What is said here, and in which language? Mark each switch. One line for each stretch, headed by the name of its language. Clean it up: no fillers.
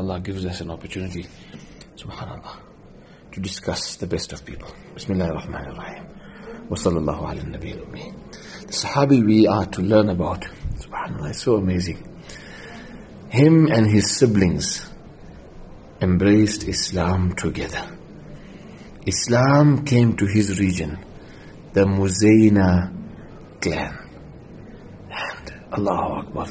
English: الله gives us an opportunity.
Arabic: سبحان الله.
English: To discuss the best of people.
Arabic: بسم الله الرحمن الرحيم. وصلى الله على النبي الأمي.
English: The Sahabi we are to learn about.
Arabic: سبحان الله.
English: It's so amazing. Him and his siblings embraced Islam together. Islam came to his region, the Muzayna clan. Allahu Akbar.